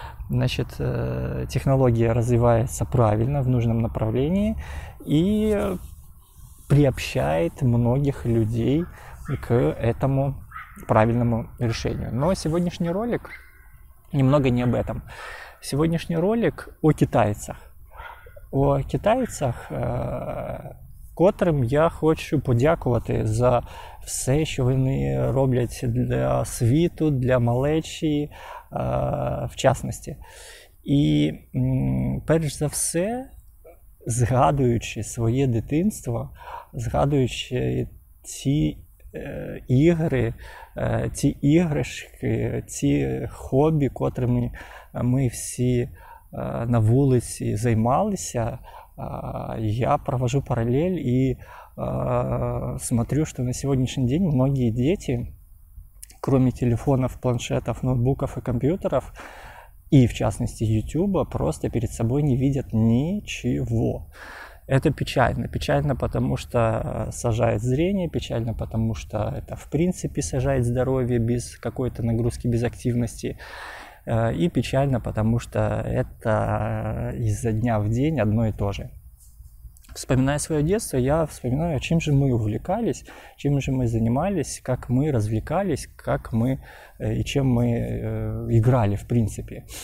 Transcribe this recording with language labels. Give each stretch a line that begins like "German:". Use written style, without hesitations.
Russian: Значит, технология развивается правильно, в нужном направлении и приобщает многих людей к этому правильному решению. Но сегодняшний ролик немного не об этом. Сегодняшний ролик о китайцах. О китайцах,
Ukrainian: котрим я хочу подякувати за все, що вони роблять для світу, для малечі, в частності. І перш за все, згадуючи своє дитинство, згадуючи ці ігри, ці іграшки, ці хобі, котрими ми всі на вулиці займалися, я провожу паралель і смотрю, що на сьогоднішній день багато дітей, крім телефонів, планшетів, ноутбуків і комп'ютерів, і в частності YouTube, просто перед собою не бачать нічого.
Russian: Это печально. Печально, потому что сажает зрение, печально, потому что это, в принципе, сажает здоровье без какой-то нагрузки, без активности. И печально, потому что это изо дня в день одно и то же. Вспоминая свое детство, я вспоминаю, чем же мы увлекались, чем же мы занимались, как мы развлекались, как мы и чем мы играли, в принципе.